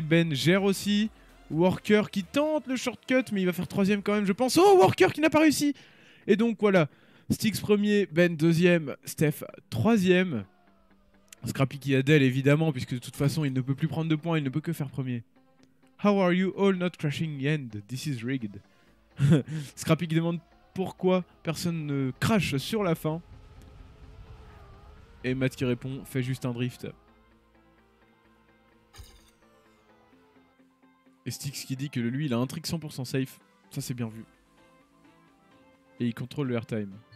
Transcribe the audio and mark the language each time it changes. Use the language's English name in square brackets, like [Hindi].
[French] Ben gère aussi. Worker qui tente le shortcut, mais il va faire troisième quand même, je pense. Oh, Worker qui n'a pas réussi. Et donc voilà, Stix premier, Ben deuxième, Steph troisième. Scrappy qui a Dell évidemment, puisque de toute façon, il ne peut plus prendre de points, il ne peut que faire premier. [English] How are you all not crashing yet? This is rigged. [French] Scrappy qui demande pourquoi personne ne crache sur la fin. Et Matt qui répond, fais juste un drift. Et Stix qui dit que lui, il a un trick 100% safe. Ça, c'est bien vu. Et il contrôle le airtime.